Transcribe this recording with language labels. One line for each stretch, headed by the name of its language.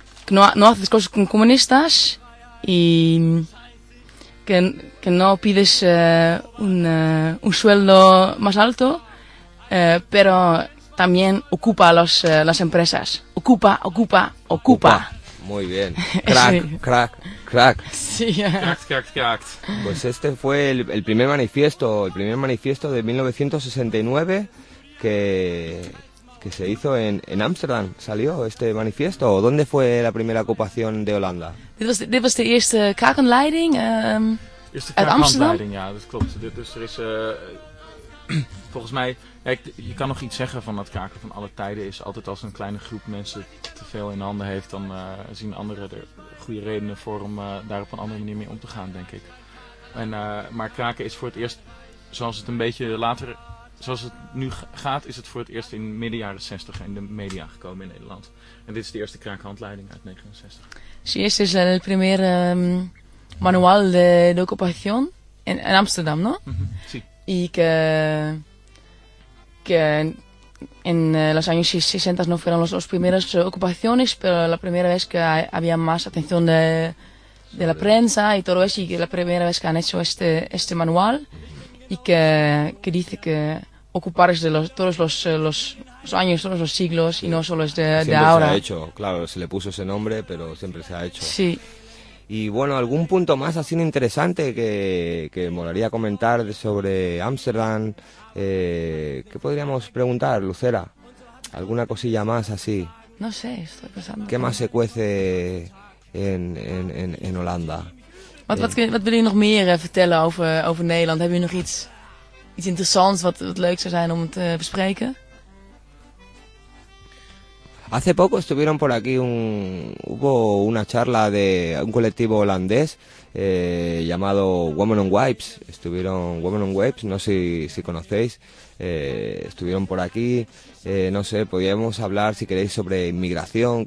Spanish: no haces cosas con comunistas y que no pides un sueldo más alto pero también ocupa las empresas. Ocupa, ocupa, ocupa. Muy bien. Crack, crack, crack. Sí, crack, crack, crack. Pues este fue el primer manifiesto, el primer manifiesto de 1969 que se hizo en Ámsterdam. ¿Salió este manifiesto? ¿Dónde fue la primera ocupación de Holanda?
Dutch: Dit was de eerste kakenleiding uit Amsterdam. Ja, dat klopt. Dus er is volgens mij, je kan nog iets zeggen van dat kraken van alle tijden is altijd als een kleine groep mensen te veel in handen heeft, dan zien anderen er goede redenen voor om daar op een andere manier mee om te gaan, denk ik. Maar kraken is voor het eerst, zoals het een beetje later, zoals het nu gaat, is het voor het eerst in midden jaren 60 in de media gekomen in Nederland. En dit is de eerste krakenhandleiding uit 69.
Spanish: Sí, este es el primer manual de ocupación en Amsterdam, ¿no? Sí. Y que en los años 60 no fueron las primeras ocupaciones, pero la primera vez que había más atención de la prensa y todo eso, y que la primera vez que han hecho este manual, y que dice que ocupar es de todos los años, todos los siglos, y no solo es de ahora. Siempre se ha hecho, claro, se le puso ese nombre, pero siempre se ha hecho. Sí. Y bueno, ¿algún punto más así interesante que molaría comentar sobre Ámsterdam? ¿Qué podríamos preguntar, Lucera? ¿Alguna cosilla más así? No sé, estoy pensando. ¿Qué más se cuece en Holanda?
Dutch: ¿Qué wil je nog meer vertellen over Nederland? ¿Heb je nog iets? Iets interessants wat leuk zou zijn om te bespreken.
Spanish: Hace poco estuvieron por aquí hubo una charla de un colectivo holandés llamado Women on Wipes. Estuvieron Women on Wipes, no sé si conocéis. Estuvieron por aquí. No sé, podríamos hablar si queréis sobre inmigración.